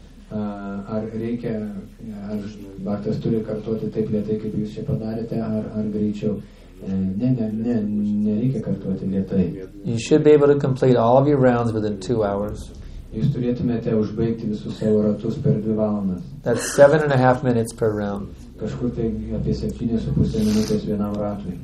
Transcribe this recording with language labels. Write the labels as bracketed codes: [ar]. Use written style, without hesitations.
[lt] Ar reikia, ar Bartas turi kartuoti taip lietai, kaip jūs čia padarėte, ar greičiau? Nereikia kartuoti lietai. [en] You should be able to complete all of your rounds within 2 hours. [lt] Jūs turėtumėte užbaigti visus savo ratus per 2 valandas. [en] That's 7.5 minutes per round. [lt] Kažkur tai apie 7.5 minutės vienam ratui.